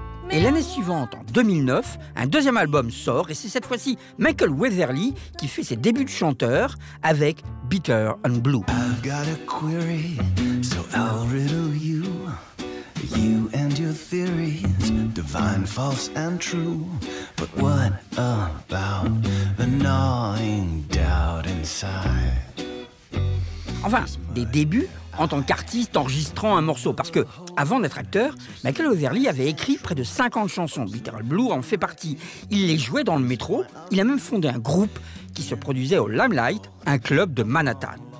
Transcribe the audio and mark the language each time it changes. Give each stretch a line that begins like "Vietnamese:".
French: Et l'année suivante, en 2009, un deuxième album sort et c'est cette fois-ci Michael Weatherly qui fait ses débuts de chanteur avec Bitter and Blue.
English: I've got a query, so I'll riddle you. You and your theories, divine, false and true. But what about the gnawing doubt inside?
French: Enfin, des débuts en tant qu'artiste enregistrant un morceau. Parce que, avant d'être acteur, Michael Weatherly avait écrit près de 50 chansons. Bitter and Blue en fait partie. Il les jouait dans le métro. Il a même fondé un groupe qui se produisait au Limelight, un club de Manhattan.